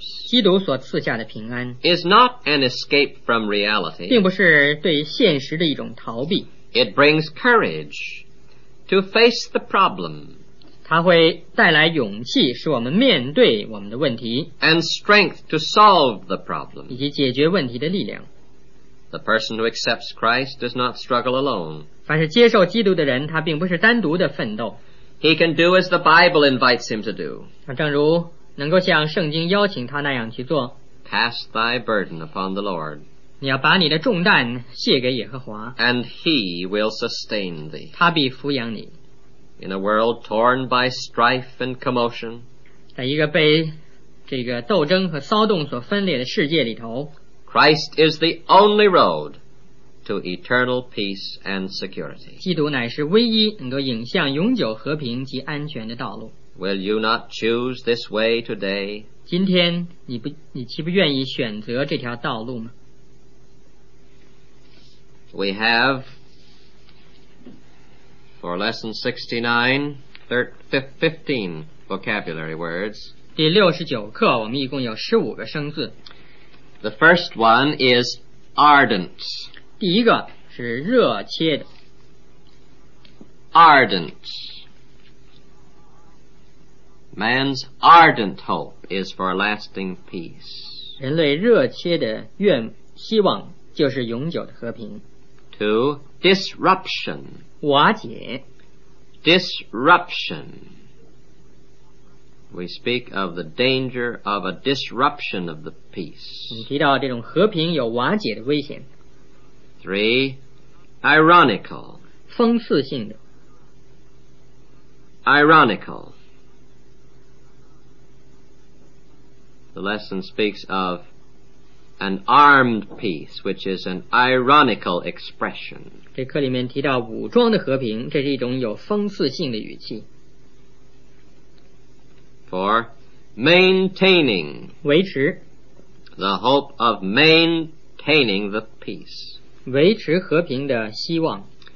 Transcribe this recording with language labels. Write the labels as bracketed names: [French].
[Chinese] 基督所赐下的平安， [English] is not an escape from reality, [Chinese] 并不是对现实的一种逃避。 [English] It brings courage to face the problem, [Chinese] 它会带来勇气使我们面对我们的问题， [English] and strength to solve the problem, [Chinese] 以及解决问题的力量。 [English] The person who accepts Christ does not struggle alone, [Chinese] 凡是接受基督的人，他并不是单独的奋斗。 [English] He can do as the Bible invites him to do. [Chinese] 正如能够像圣经邀请他那样去做。 [English] Cast thy burden upon the Lord. [Chinese] 你要把你的重担卸给耶和华。 [English] And he will sustain thee. [Chinese] 他必抚养你。 [English] In a world torn by strife and commotion, [Chinese] 在一个被这个斗争和骚动所分裂的世界里头， [English] Christ is the only road to eternal peace and security. [Chinese] 基督乃是唯一能够引向永久和平及安全的道路。 [English] Will you not choose this way today? [Chinese] 今天你岂不愿意选择这条道路吗？ [English] We have for lesson 15 vocabulary words. [Chinese] 第69课我们一共有15个生字。 [English] The first one is ardent. [Chinese] 第一个是热切的。 [English] Ardent. Man's ardent hope is for lasting peace. [Chinese] 人类热切的愿希望就是永久的和平。 [English] Two, disruption. [Chinese] 瓦解。 [English] Disruption. We speak of the danger of a disruption of the peace. [Chinese] 你提到这种和平有瓦解的危险。 [English] Three, ironical. [Chinese] 讽刺性的。 [English] Ironical. The lesson speaks of an armed peace, which is an ironical expression. [Chinese] 这课里面提到武装的和平，这是一种有讽刺性的语气。 [English] Four, maintaining. [Chinese] 维持。 [English] The hope of maintaining the peace. [Chinese] 维持和平的希望。